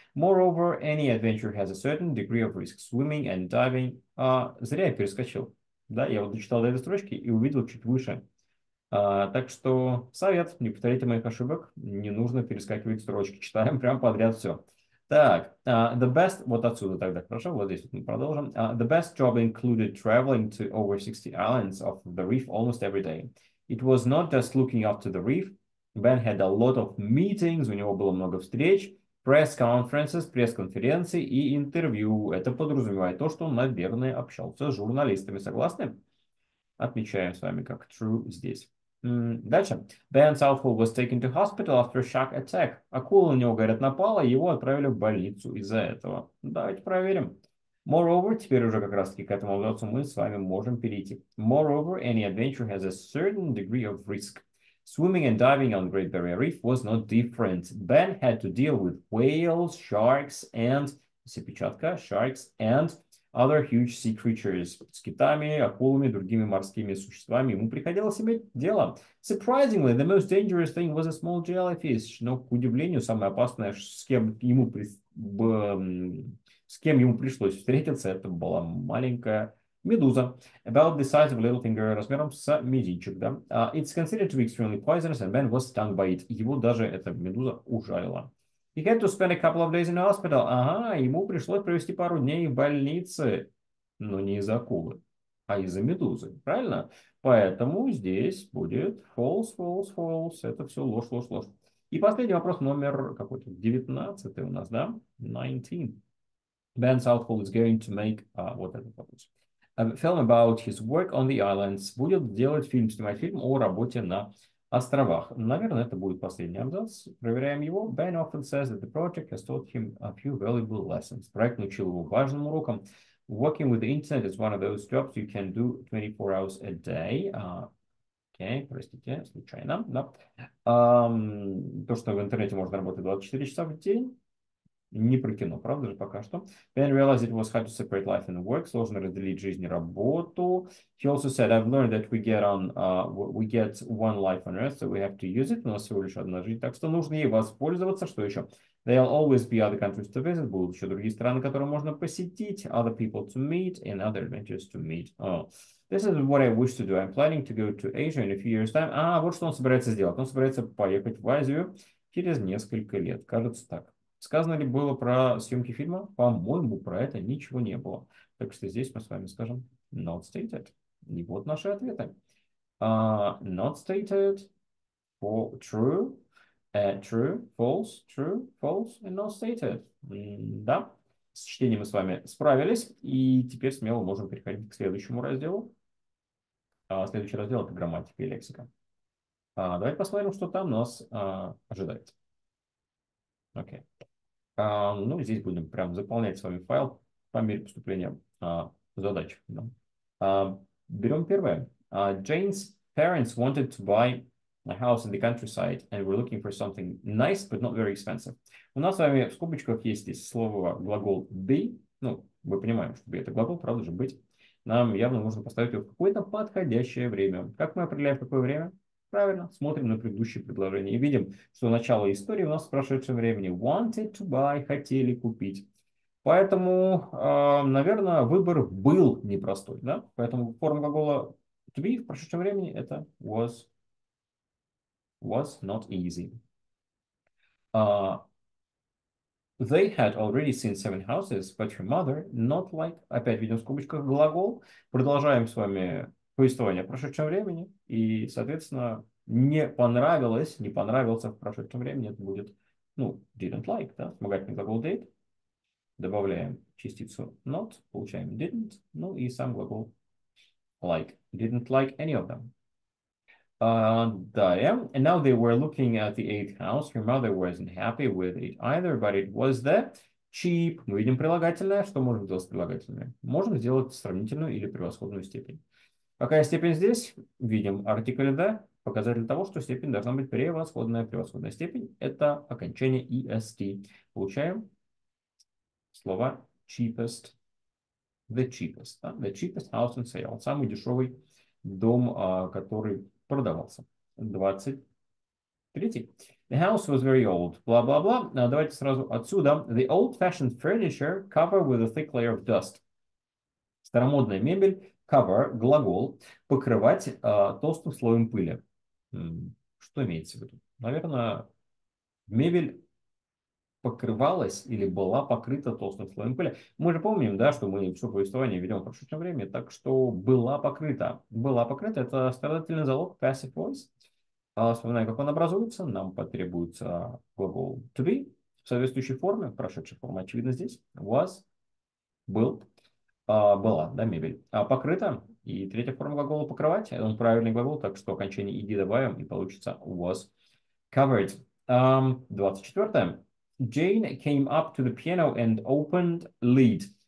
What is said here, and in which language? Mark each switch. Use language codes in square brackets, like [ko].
[en] Moreover, any adventure has a certain degree of risk. Swimming and diving. [ru] Зря я перескочил. Да, я вот дочитал до этой строчки и увидел чуть выше. Так что совет, не повторяйте моих ошибок. Не нужно перескакивать строчки. Читаем прямо подряд все. Так, [en] the best, [ru] вот отсюда тогда, хорошо, вот здесь вот мы продолжим. [en] The best job included traveling to over 60 islands of the reef almost every day. It was not just looking after the reef. Ben had a lot of meetings, [ru] у него было много встреч, [en] press conferences, [ru] пресс-конференции и интервью. Это подразумевает то, что он, наверное, общался с журналистами. Согласны? Отмечаем с вами как true здесь. Дальше. [en] Ben Southall was taken to hospital after a shark attack. [ru] Акула на него, говорят, напала, его отправили в больницу из-за этого. Давайте проверим. Moreover, теперь уже как раз-таки к этому вопросу мы с вами можем перейти. [en] Moreover, any adventure has a certain degree of risk. Swimming and diving on Great Barrier Reef was no different. Ben had to deal with whales, sharks, and [ru] сипечатка, [en] sharks, and other huge sea creatures. [ru] С китами, акулами, другими морскими существами ему приходилось иметь дело. [en] Surprisingly, the most dangerous thing was a small jellyfish. [ru] Но, к удивлению, самое опасное, с кем ему пришлось встретиться, это была маленькая медуза, [en] about the size of a little finger, [ru] размером с мизинчик, да. [en] It's considered to be extremely poisonous, and Ben was stung by it. [ru] Его даже эта медуза ужалила. [en] He had to spend a couple of days in the hospital. [ru] Ага, ему пришлось провести пару дней в больнице, но не из-за акулы, а из-за медузы, правильно? Поэтому здесь будет false, false, false. Это все ложь, ложь, ложь. И последний вопрос номер какой-то, 19 у нас, да? [en] 19. Ben Southall is going to make [ru] вот этот вопрос. [en] A film about his work on the islands. [ru] Будет делать фильм, снимать фильм о работе на островах. Наверное, это будет последний абзац. Проверяем его. [en] Ben often says that the project has taught him a few valuable lessons. [ru] Проект научил его важным урокам. [en] Working with the internet is one of those jobs you can do 24 hours a day. [ru] Окей, простите, случайно. Да. То, что в интернете можно работать 24 часа в день. Не про кино, правда же, пока что. [en] Ben realized it was hard to separate life and work. [ru] Сложно разделить жизнь и работу. [en] He also said, I've learned that we get one life on Earth, so we have to use it. [ru] У нас всего лишь одна жизнь, так что нужно ей воспользоваться. Что еще? [en] There'll always be other countries to visit. [ru] Будут еще другие страны, которые можно посетить. [en] Other people to meet and other adventures to meet. This is what I wish to do. I'm planning to go to Asia in a few years' time. [ru] Вот что он собирается сделать. Он собирается поехать в Азию через несколько лет. Кажется так. Сказано ли было про съемки фильма? По-моему, про это ничего не было. Так что здесь мы с вами скажем [en] not stated. [ru] И вот наши ответы. [en] Not stated, for true, true, false, true, false, and not stated. [ru] Да, с чтением мы с вами справились. И теперь смело можем переходить к следующему разделу. Следующий раздел – это грамматика и лексика. Давайте посмотрим, что там нас ожидает. Окей. Ну, здесь будем прям заполнять с вами файл по мере поступления задач. Да. Берем первое. [en] Jane's parents wanted to buy a house in the countryside and were looking for something nice, but not very expensive. [ru] У нас с вами в скобочках есть здесь слово глагол be. Ну, мы понимаем, что be – это глагол, правда же, быть. Нам явно нужно поставить его в какое-то подходящее время. Как мы определяем, какое время? Правильно, смотрим на предыдущее предложение и видим, что начало истории у нас в прошедшем времени. Wanted to buy – хотели купить. Поэтому, наверное, выбор был непростой. Да? Поэтому форма глагола to be в прошедшем времени – это [en] was not easy. They had already seen seven houses, but her mother, not like... [ru] Опять видим в скобочках глагол. Продолжаем с вами повествование о прошедшем времени. И, соответственно, не понравилось, не понравился в прошедшем времени. Это будет, ну, [en] didn't like, [ru] да? Вспомогательный глагол did. Добавляем частицу not, получаем didn't. Ну, и сам глагол like. [en] Didn't like any of them. [ru] Далее. [en] And now they were looking at the eighth house. Her mother wasn't happy with it either, but it was the cheap. [ru] Мы видим прилагательное. Что можем сделать с прилагательными? Можем сделать сравнительную или превосходную степень. Какая степень здесь? Видим артикль the. Показатель того, что степень должна быть превосходная. Превосходная степень – это окончание est. Получаем слово cheapest. [en] The cheapest. [ru] Да? [en] The cheapest house in sale. [ru] Самый дешевый дом, который продавался. [en] 23. The house was very old. [ru] Бла-бла-бла. Давайте сразу отсюда. [en] The old-fashioned furniture covered with a thick layer of dust. [ru] Старомодная мебель. Cover, глагол. Покрывать толстым слоем пыли. Что имеется в виду? Наверное, мебель покрывалась или была покрыта толстым слоем пыли. Мы же помним, да, что мы все повествование ведем в прошедшем времени, так что была покрыта. Была покрыта – это страдательный залог, [en] passive voice. [ru] Вспоминаем, как он образуется. Нам потребуется глагол to be в соответствующей форме. Прошедшая форма, очевидно, здесь. Was, был, была, да, мебель. Покрыта. И третья форма глагола покрывать. Это правильный глагол, так что окончание ed добавим, и получится [en] was covered. [ru] 24. [en] Jane came up to the piano and opened lid.